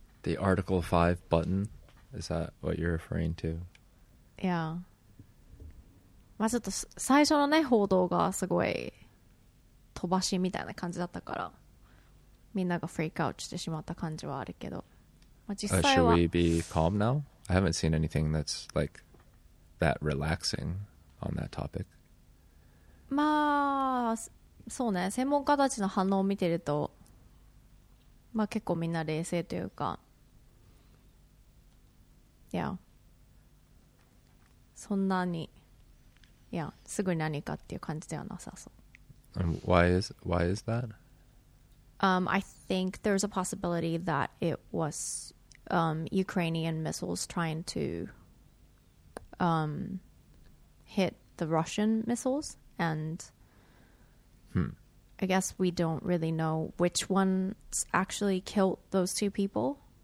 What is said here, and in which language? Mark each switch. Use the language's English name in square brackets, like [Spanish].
[English] The Article 5 button? Is that what you're referring to? Yeah. [Japanese] まあちょっと最初のね、報道がすごい飛ばしみたいな感じだったから、みんながフリークアウトしてしまった感じはあるけど、まあ、実際は、 [English] Should we be calm now? I haven't seen anything that's likethat relaxing on that topic. [Japanese] まあそうね、専門家たちの反応を見てると、まあ結構みんな冷静というか、いや、そんなに、いや、すぐに何かっていう感じではなさそう。 [English] And why is that? I think there's a possibility that it was Ukrainian missiles trying toHit the Russian missiles, and I guess we don't really know which ones actually killed those two people.